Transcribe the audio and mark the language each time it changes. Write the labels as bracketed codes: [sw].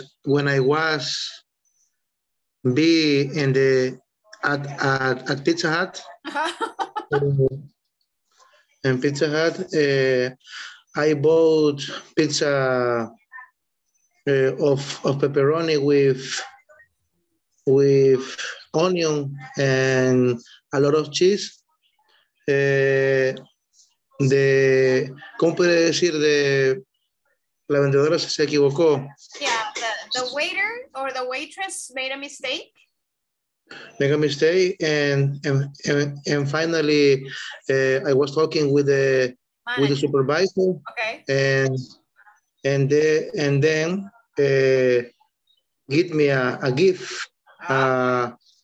[en] When I was be in the at Pizza Hut, in Pizza Hut, I bought pizza of pepperoni with onion and a lot of cheese. [es] De ¿cómo puede decir de la vendedora si se equivocó? [en] The waiter or the waitress made a mistake. Make a mistake and finally I was talking with the manager. With the supervisor. Okay. And then give me a gift. Oh.